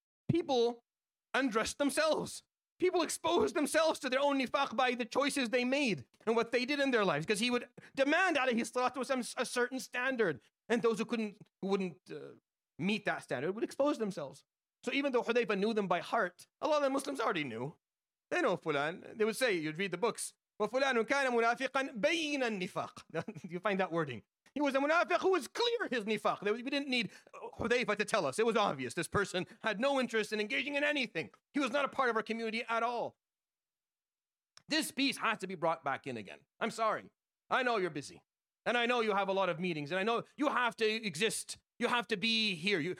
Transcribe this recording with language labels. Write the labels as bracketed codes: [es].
[en] People undressed themselves. People exposed themselves to their own nifaq by the choices they made and what they did in their lives. Because he would demand alayhi salatu wasalam a certain standard. And those who wouldn't meet that standard would expose themselves. So even though Hudhayfa knew them by heart, a lot of the Muslims already knew. They know fulan. They would say, you'd read the books. [ar] وَفُلَانُ كَانَ مُنَافِقًا بَيْنَ النِّفَاقِ [en] You find that wording. He was a munafiq who was clear his nifaq. We didn't need Hudhayfa to tell us. It was obvious. This person had no interest in engaging in anything. He was not a part of our community at all. This piece has to be brought back in again. I'm sorry. I know you're busy. And I know you have a lot of meetings. And I know you have to exist. You have to be here.